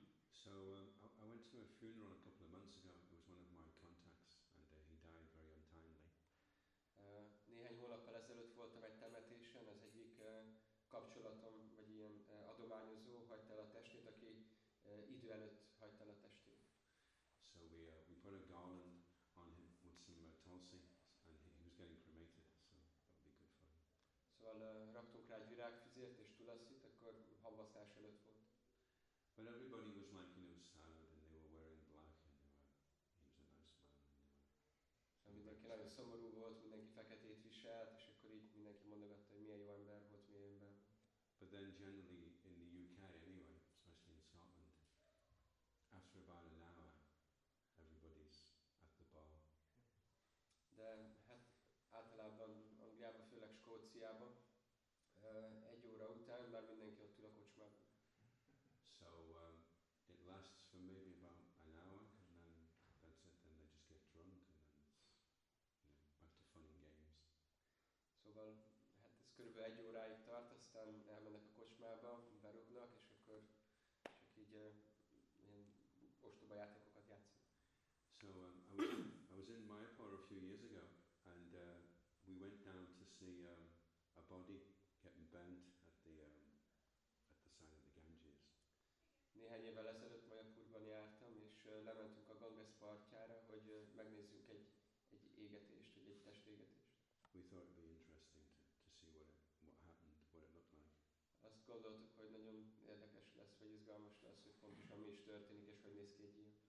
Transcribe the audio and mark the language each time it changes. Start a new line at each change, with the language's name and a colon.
English: So I went to a funeral a couple of months ago. It was one of my contacts, and he died very untimely.
Hungarian: Néhány hónappal ezelőtt voltam egy temetésen, az egyik kapcsolatom vagy ilyen adományozó hagyta el a testét, aki idő előtt hagyta el a testét.
English: So we put a garland on him with some tulsi, and he was getting cremated, so that would be good for him.
Hungarian: Szóval raktunk rá egy virágfüzért és tulaszit, akkor havasztás előtt volt.
English: But everybody was like, you know, sad, and they were wearing black, and they were, he was a nice man, and they were...
Hungarian: So mindenki nagyon szomorú volt, mindenki feketét viselt, és akkor így mindenki mondogatta, hogy milyen jó ember volt, milyen ember.
English: But then generally, in the UK anyway, especially in Scotland, after about an hour, everybody's at the bar.
Hungarian: De hát általában Angliában, főleg Skóciában, egy óra után már mindenki ott ül a kocsmában.
English: So it lasts for maybe about an hour, and then that's it. Then they just get drunk, and then it's, you know, back to fun and games.
Hungarian: So well, hát ez körülbelül egy óráig tart, aztán elmennek a kocsmába, berúgnak, és akkor csak így ilyen ostoba játékokat játszik.
English: So I was in Mayapur a few years ago, and we went down to see a body getting burnt at the side of the Ganges.
Hungarian: Néhány évvel ezelőtt Mayapurban jártam, és lementünk a Ganges partjára, hogy megnézzünk egy égetést, vagy egy testégetést.
English: We thought it'd be interesting to see what happened, what it looked like.
Hungarian: Azt gondoltuk, hogy nagyon érdekes lesz, vagy izgalmas lesz, hogy pontosan mi is történik, és hogy néz ki egy ilyen.